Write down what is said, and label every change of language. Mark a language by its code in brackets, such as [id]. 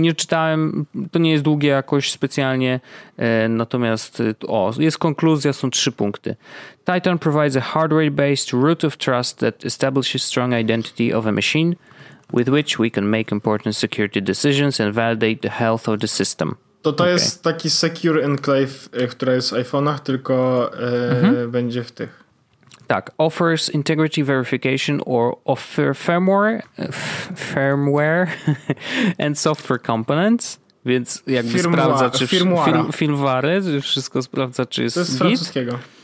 [pl] Nie czytałem, to nie jest długie jakoś specjalnie, natomiast o, jest konkluzja, są trzy punkty. [en] Titan provides a hardware-based root of trust that establishes strong identity of a machine with which we can make important security decisions and validate the health of the system. [pl] To okay. Jest taki secure enclave, która jest w iPhone'ach, tylko będzie w tych. Tak. [en] Offers integrity verification or offer firmware and software components. [pl] Więc jakby sprawdza, czy firmware, wszystko sprawdza, czy jest git. To jest francuskiego.